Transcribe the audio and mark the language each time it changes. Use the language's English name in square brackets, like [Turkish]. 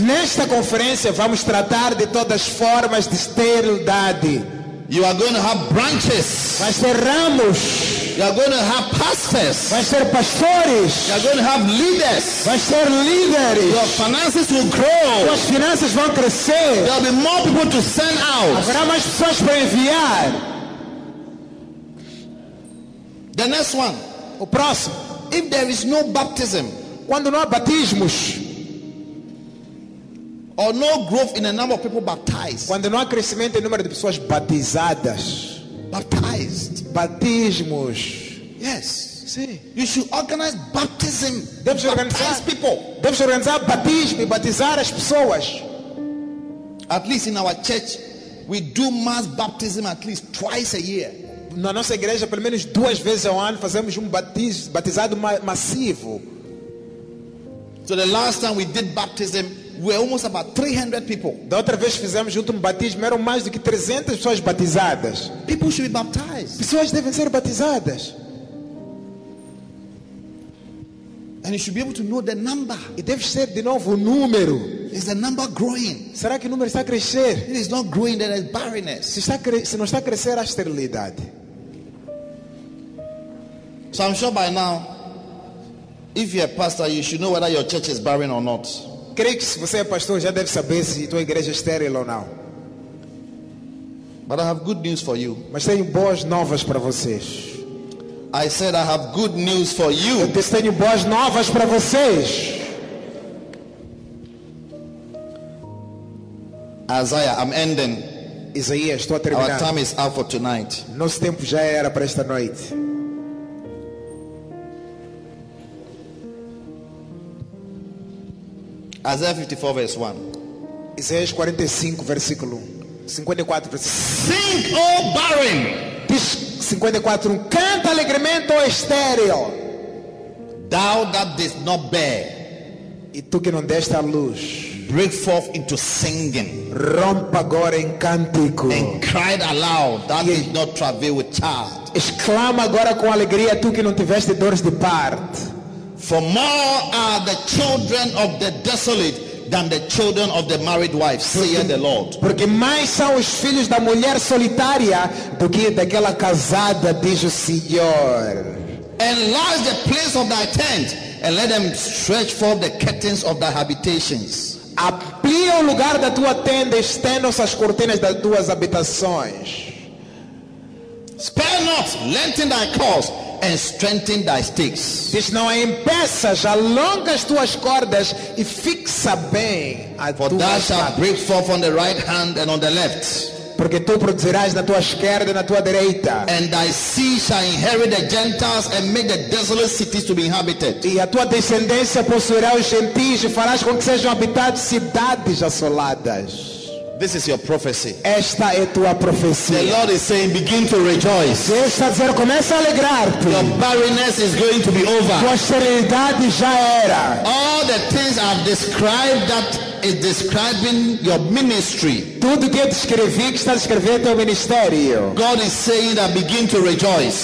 [Portuguese] Nesta conferência vamos tratar de todas as formas de esterilidade. [English] You are going to have branches. [Portuguese] Vai ter ramos. [English] You are going to have pastors. [Portuguese] Vai ter pastores. [English] You are going to have leaders. [Portuguese] Vai ter líderes. [English] Your finances will grow. [Portuguese] Suas finanças vão crescer. [English] There will be more people to send out. [Portuguese] Haverá mais pessoas para enviar. [English] The next one. [Portuguese] O próximo. [English] If there is no baptism, [Portuguese] quando não há batismos, [English] or no growth in the number of people baptized, [Portuguese] quando não há crescimento em número de pessoas batizadas, [English] baptized, [Portuguese] batismos, [English] yes, [Portuguese] sim, [English] you should organize baptism, [Portuguese] deves organizar [English] people, [Portuguese] deves organizar batismo e batizar as pessoas. [English] At least in our church, we do mass baptism at least twice a year. [Portuguese] Na nossa igreja, pelo menos duas vezes ao ano, fazemos batizado massivo. [English] So the last time we did baptism, we were almost about 300 people. [Portuguese] Da outra vez fizemos junto um batismo, eram mais do que 300 pessoas batizadas. [English] People should be baptized. [Portuguese] Pessoas devem ser batizadas. [English] And you should be able to know the number. [Portuguese] E deve ser de novo o número. [English] Is the number growing? [Portuguese] Será que o número está a crescer? [English] It is not growing, there is barrenness. [Portuguese] Se não está a crescer, há esterilidade. [English] So I'm sure by now, if you're a pastor, you should know whether your church is barren or not. [Portuguese] Creio que se você é pastor, já deve saber se tua igreja é estéril ou não. [English] But I have good news for you. [Portuguese] Mas tenho boas novas para vocês. [English] I said I have good news for you. [Portuguese] Eu tenho boas novas para vocês. [English] Isaiah, I'm ending. [Portuguese] Isaías, estou a terminar. [English] Our time is up for tonight. [Portuguese] Nosso tempo já era para esta noite. [English] Isaiah 54 verse 1. [Portuguese] Isaías 45 versículo 54 versículo. [English] Sing, O barren. [Portuguese] 54. Canta alegremente, O estéril. [English] Thou that didst not bear. [Portuguese] E tu que não deste a luz. [English] Break forth into singing. [Portuguese] Rompe agora em cântico. [English] And cry aloud. Thou didst not travail with child. [Portuguese] Exclama agora com alegria, tu que não tiveste dores de parto. [English] For more are the children of the desolate than the children of the married wife, saith the Lord. [Portuguese] Porque mais são os filhos da mulher solitária do que daquela casada, diz o Senhor. [English] Enlarge the place of thy tent, and let them stretch forth the curtains of thy habitations. [Portuguese] Amplia o lugar da tua tenda, estenda as cortinas das tuas habitações. [English] Spare not, lengthen thy cords and strengthen thy stakes. [Portuguese] Diz, não impeças, alonga as tuas cordas e fixa bem a [English] For [Portuguese] tua [English] thou shalt break forth on the right hand and on the left. [Portuguese] Porque tu produzirás na tua esquerda e na tua direita. [English] And thy seed shall inherit the Gentiles and make the desolate cities to be inhabited. [Portuguese] E a tua descendência possuirá os gentios e farás com que sejam habitadas cidades assoladas. [English] This is your prophecy. [Portuguese] Esta é tua profecia. [English] The Lord is saying, begin to rejoice. [Portuguese] Deus está dizendo, começa a alegrar-te. [English] Your barrenness is going to be over. [Portuguese] Tua esterilidade já era. [English] All the things I've described that is describing your ministry. [Portuguese] Tudo que eu descrevi, que está descrevendo teu ministério. [English] God is saying that begin to rejoice.